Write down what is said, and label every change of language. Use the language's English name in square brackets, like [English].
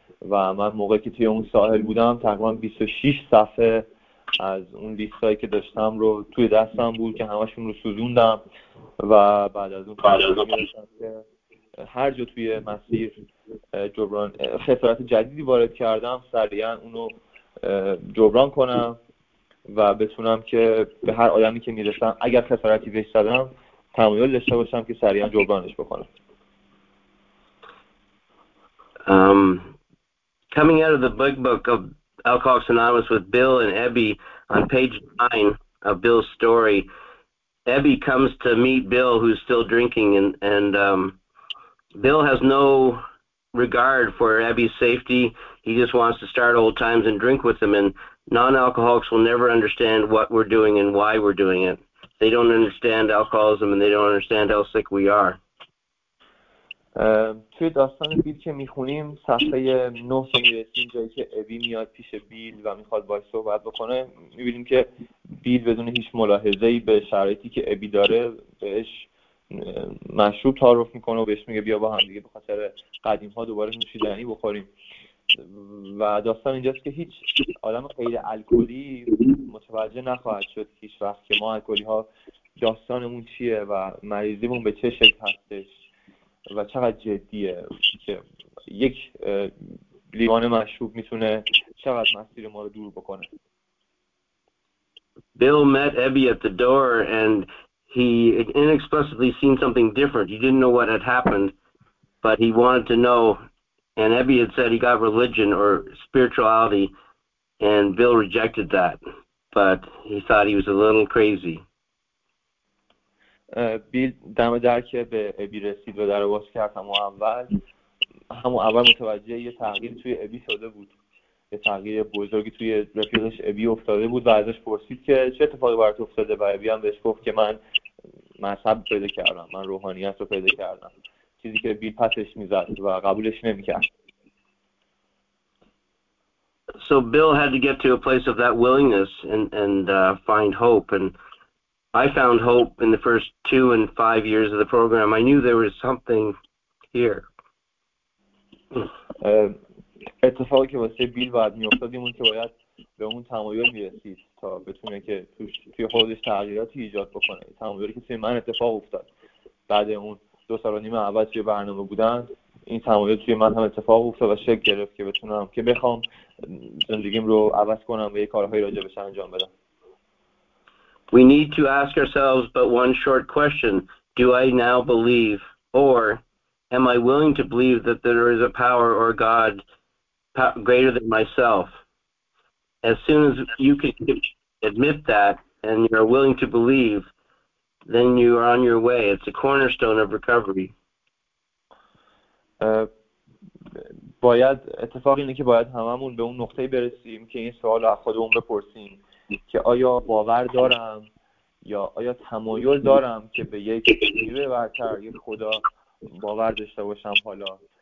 [Persian] و من موقعی که توی اون ساحل بودم تقریبا 26 صفحه از اون لیستایی که داشتم رو توی دستم بود که همشون رو سوزوندم و بعد از اون که هر جا توی مسیر جبران خسارت جدیدی وارد کردم سریعا اونو جبران کنم و بتونم که به هر آدمی که میرسم اگر خسارتی بهش دادم تمایل داشته باشم که سریعا جبرانش بکنم. [English] Coming out of the big book of Alcoholics Anonymous with Bill and Ebby, on page 9 of Bill's story, Ebby comes to meet Bill, who's still drinking, and Bill has no regard for Ebby's safety. He just wants to start old times and drink with him, and non-alcoholics will never understand what we're doing and why we're doing it. They don't understand alcoholism, and they don't understand how sick we are. [Persian] توی داستان بیل که میخونیم صفحه 9 که میرسیم، جایی که ابی میاد پیش بیل و میخواد باش صحبت بکنه، میبینیم که بیل بدون هیچ ملاحظه‌ای به شرایطی که ابی داره بهش مشروب تعارف میکنه و بهش میگه بیا با هم دیگه به خاطر قدیم ها دوباره نوشیدنی بخوریم. و داستان اینجاست که هیچ آدم غیر الکلی متوجه نخواهد شد هیچ وقت که ما الکلی ها داستانمون چیه و مریضیمون به چه شکل هستش و چقدر جدیه، که یک لیوان مشروب میتونه چقدر مسیر ما رو دور بکنه. [English] Bill met Abby at the door and he inexplicably seen something different. He didn't know what had happened, but he wanted to know. And Abby had said he got religion or spirituality, and Bill rejected that, but he thought he was a little crazy. [Persian] Bill دم در که به ابی رسید و در رو باز کرد، همون اول متوجه یه تغییر توی ابی شده بود، یه تغییر بزرگی توی رفیقش ابی افتاده بود و ازش پرسید که چه اتفاقی برات افتاده، و ابی هم بهش گفت که من مذهب پیدا کردم، من روحانیت رو پیدا کردم، چیزی که بیل پسش میزد و قبولش نمیکرد. [English] So Bill had to get to a place of that willingness and find hope, and I found hope in the first 2 and 5 years of the program. I knew there was something here. [Persian] اتفاقی که واسه بیل بعد میافتاد این بود که باید به اون تمایل میرسید تا بتونه که توی خودش تغییراتی ایجاد بکنه. تمایلی که توی من اتفاق افتاد بعد اون 2.5 سال اول توی برنامه بودن، این تمایل توی من هم اتفاق افتاد و شکل گرفت که بتونم که بخوام زندگیم رو عوض کنم و یه کارهایی راجع بهش انجام بدم. [English] We need to ask ourselves but one short question. Do I now believe, or am I willing to believe that there is a power or God greater than myself? As soon as you can admit that and you're willing to believe, then you are on your way. It's a cornerstone of recovery. [Persian] باید اتفاق اینه که باید هممون به اون نقطه برسیم که این سوال رو از خودمون بپرسیم که آیا باور دارم یا آیا تمایل دارم که به یک نیروی برتر، یک خدا باور داشته باشم حالا.